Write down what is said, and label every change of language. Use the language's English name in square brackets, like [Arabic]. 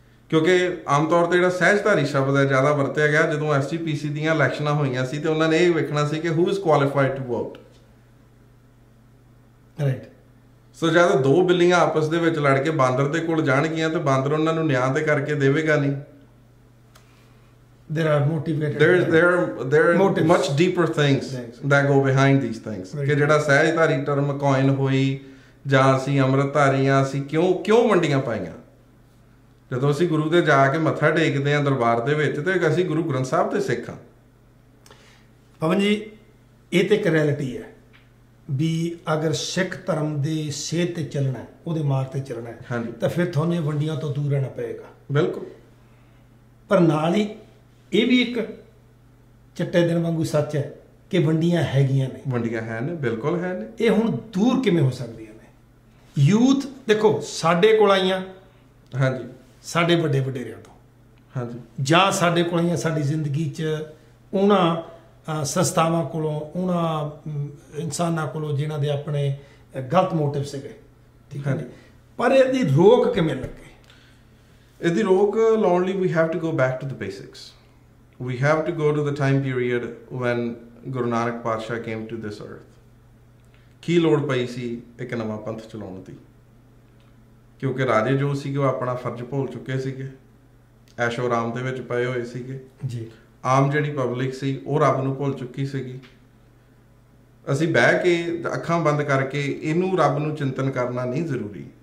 [Punjabi] ਕਿਉਂਕਿ ਆਮ ਤੌਰ 'ਤੇ ਜਿਹੜਾ ਸਹਿਜਧਾਰੀ ਸ਼ਬਦ ਹੈ ਜ਼ਿਆਦਾ ਵਰਤਿਆ ਗਿਆ ਜਦੋਂ SGPC ਦੀਆਂ ਇਲੈਕਸ਼ਨਾਂ ਹੋਈਆਂ ਸੀ, ਅਤੇ ਉਹਨਾਂ ਨੇ ਇਹ ਵੇਖਣਾ ਸੀ ਕਿ [English] Who is qualified to vote. Right. [Punjabi] ਸੋ ਜਦ 2 ਬਿੱਲੀਆਂ ਆਪਸ ਦੇ ਵਿੱਚ ਲੜ ਕੇ ਬਾਂਦਰ ਦੇ ਕੋਲ ਜਾਣਗੀਆਂ ਤਾਂ ਬਾਂਦਰ ਉਹਨਾਂ ਨੂੰ ਨਿਆਂ ਤੇ ਕਰਕੇ ਦੇਵੇਗਾ ਨਹੀਂ? [English] There are motivated. There are motives. Much deeper things that go behind these things. [Punjabi] ਕਿ ਜਿਹੜਾ ਸਹਿਜਧਾਰੀ ਟਰਮ ਕੋਇਨ ਹੋਈ ਜਾਂ ਅਸੀਂ ਅੰਮ੍ਰਿਤਧਾਰੀ ਹਾਂ, ਅਸੀਂ ਕਿਉਂ ਵੰਡੀਆਂ ਪਾਈਆਂ? ਜਦੋਂ ਅਸੀਂ ਗੁਰੂ ਦੇ ਜਾ ਕੇ ਮੱਥਾ ਟੇਕਦੇ ਹਾਂ ਦਰਬਾਰ ਦੇ ਵਿੱਚ, ਤਾਂ ਅਸੀਂ ਗੁਰੂ ਗ੍ਰੰਥ ਸਾਹਿਬ ਦੇ ਸਿੱਖ ਹਾਂ। ਪਵਨ ਜੀ, ਇਹ ਤਾਂ ਇੱਕ ਰਿਐਲਿਟੀ ਹੈ ਵੀ ਅਗਰ ਸਿੱਖ ਧਰਮ ਦੇ ਸਿਹਤ 'ਤੇ ਚੱਲਣਾ, ਉਹਦੇ ਮਾਰਗ 'ਤੇ ਚੱਲਣਾ, ਹਾਂਜੀ, ਤਾਂ ਫਿਰ ਤੁਹਾਨੂੰ ਇਹ ਵੰਡੀਆਂ ਤੋਂ ਦੂਰ ਰਹਿਣਾ ਪਏਗਾ। ਬਿਲਕੁਲ। ਪਰ ਨਾਲ ਹੀ ਇਹ ਵੀ ਇੱਕ ਚਿੱਟੇ ਦਿਨ ਵਾਂਗੂ ਸੱਚ ਹੈ ਕਿ ਵੰਡੀਆਂ ਹੈਗੀਆਂ ਨੇ, ਵੰਡੀਆਂ ਹੈ ਨੇ, ਬਿਲਕੁਲ ਹੈ ਨੇ। ਇਹ ਹੁਣ ਦੂਰ ਕਿਵੇਂ ਹੋ ਸਕਦੀਆਂ ਨੇ? ਯੂਥ ਦੇਖੋ ਸਾਡੇ ਕੋਲ ਆਈਆਂ, ਹਾਂਜੀ, ਸਾਡੇ ਵੱਡੇ ਵਡੇਰਿਆਂ ਤੋਂ, ਹਾਂਜੀ, ਜਾਂ ਸਾਡੇ ਕੋਲ ਆਈਆਂ ਸਾਡੀ ਜ਼ਿੰਦਗੀ 'ਚ ਉਹਨਾਂ ਸੰਸਥਾਵਾਂ ਕੋਲੋਂ, ਉਹਨਾਂ ਇਨਸਾਨਾਂ ਕੋਲੋਂ ਜਿਹਨਾਂ ਦੇ ਆਪਣੇ ਗਲਤ ਮੋਟਿਵ ਸੀਗੇ। ਠੀਕ ਹੈ, ਪਰ ਇਹਦੀ ਰੋਕ ਕਿਵੇਂ ਲੱਗੇ? ਇਹਦੀ ਰੋਕ ਲਾਉਣ ਲਈ we [English] Have to go back to the basics. we have to go to the time period when Guru Nanak Patshah came to this earth. [Punjabi] ਕੀ ਲੋੜ ਪਈ ਸੀ ਇੱਕ ਨਵਾਂ ਪੰਥ ਚਲਾਉਣ ਦੀ? ਕਿਉਂਕਿ ਰਾਜੇ ਜੋ ਸੀਗੇ ਉਹ ਆਪਣਾ ਫਰਜ਼ ਭੁੱਲ ਚੁੱਕੇ ਸੀਗੇ, ਐਸ਼ੋ ਆਰਾਮ ਦੇ ਵਿੱਚ ਪਏ ਹੋਏ ਸੀਗੇ ਜੀ। ਆਮ ਜਿਹੜੀ ਪਬਲਿਕ ਸੀ ਉਹ ਰੱਬ ਨੂੰ ਭੁੱਲ ਚੁੱਕੀ ਸੀਗੀ। ਅਸੀਂ ਬਹਿ ਕੇ ਅੱਖਾਂ ਬੰਦ ਕਰਕੇ ਇਹਨੂੰ ਰੱਬ ਨੂੰ ਚਿੰਤਨ ਕਰਨਾ ਨਹੀਂ ਜ਼ਰੂਰੀ।